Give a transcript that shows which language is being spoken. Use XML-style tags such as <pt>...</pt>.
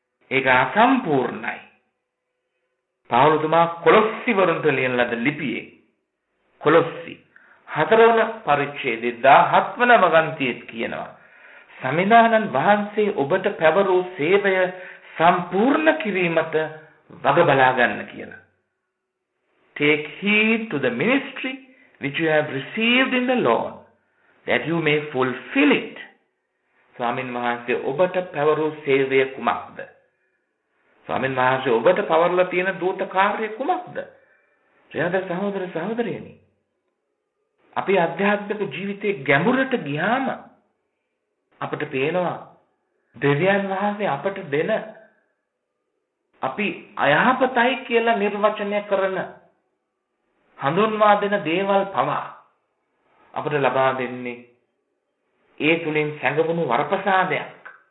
<si>ඒක අසම්පූර්ණයි. පාවුලතුමා කොලොස්සි වරුන්ට ලියන ලද ලිපියේ කොලොස්සි 4 පරිච්ඡේදයේ 17 වගන්තියේ කියනවා සමිඳානන් වහන්සේ ඔබට පැවරූ සේවය සම්පූර්ණ කිරීමට වග බලා ගන්න කියලා.</si> <en>Take heed to the ministry which you have received in the Lord, that you may fulfill it.</en> <si>ස්වාමින් වහන්සේ ඔබට පැවරූ සේවය කුමක්ද? ස්වාමින් වහන්සේ ඔබට පවරලා තියෙන දූත කාර්ය කුමක්ද? ප්‍රියද සහෝදර සහෝදරියනි, අපි අධ්‍යාත්මික ජීවිතයේ ගැඹුරට ගියාම අපට පේනවා දෙවියන් වහන්සේ අපට දෙන අපි අයහපතයි කියලා නිර්වචනය කරන හඳුන්වා දෙන දේවල් පවා අපට ලබා දෙන්නේ ඒ තුලින් සැඟවුණු වරප්‍රසාදයක්.</si>